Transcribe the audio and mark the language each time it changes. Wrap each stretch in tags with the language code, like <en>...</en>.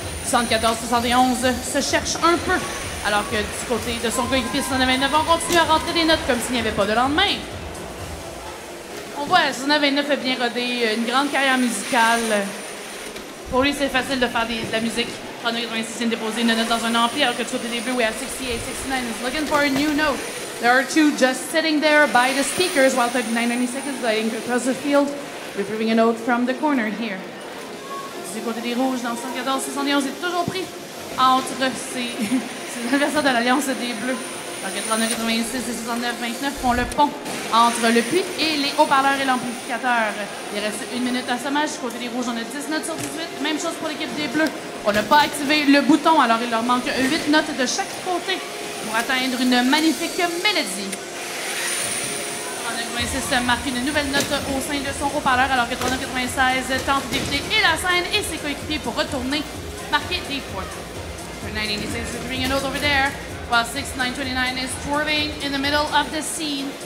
<fr>74-71 se cherche un peu, alors que du côté de son coéquipier 69-29, on continue à rentrer des notes comme s'il n'y avait pas de lendemain. On voit 69-29 bien rodé, une grande carrière musicale. Pour lui, c'est facile de faire de la musique. 39-86 vient déposer une note dans un ampli, alors que du côté des bleus,</fr> <en>we have 68-69 is looking for a new note. There are two just sitting there by the speakers while 39-96 is gliding across the field, retrieving a note from the corner here.</en> <fr>Du côté des rouges, dans 74-71, est toujours pris entre ses adversaires de l'Alliance des Bleus. Alors que 39-86 et 69-29 font le pont entre le puits et les haut-parleurs et l'amplificateur. Il reste une minute à ce match. Du côté des rouges, on a 10 notes sur 18. Même chose pour l'équipe des Bleus. On n'a pas activé le bouton, alors il leur manque 8 notes de chaque côté pour atteindre une magnifique mélodie. 39-86 marque une nouvelle note au sein de son haut-parleur, alors que 39-96 tente d'éviter et la scène et ses coéquipiers pour retourner marquer des points.</fr> <en>39-86 bring a note over there, while 69-29 is swerving in the middle of the scene.</en>